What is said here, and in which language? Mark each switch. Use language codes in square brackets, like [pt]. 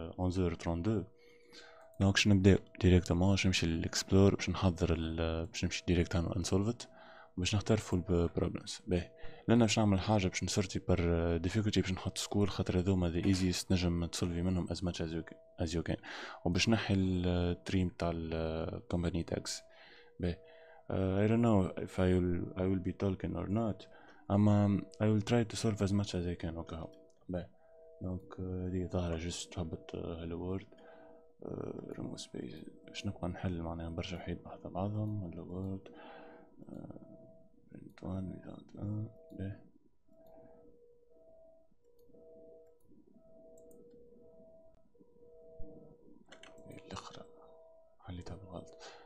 [ar] دونك باش نبداو directement، باش نمشي للاكسبلور باش نحضر باش نمشي direct على unsolved باش نختار [en] full problems. [ar] باهي لانا باش نعمل حاجة باش نسورتي بر difficulty باش نحط سكور، خاطر هذوما [en] the easiest [ar] نجم تسولفي منهم [en] as much as you can. [ar] وباش نحي التريم تاع company tags. باهي [en] I don't know if I will be talking or not. [ar] اما [en] I will try to solve as much as I can. [ar] اوكي باهي دونك هذه ظاهرة جست تهبط [en] hello world remove space [ar] باش نبقى نحل معناها برشا وحيد بعض بعضهم [en] hello world print one without [ar] الاخرى حليتها بالغلط.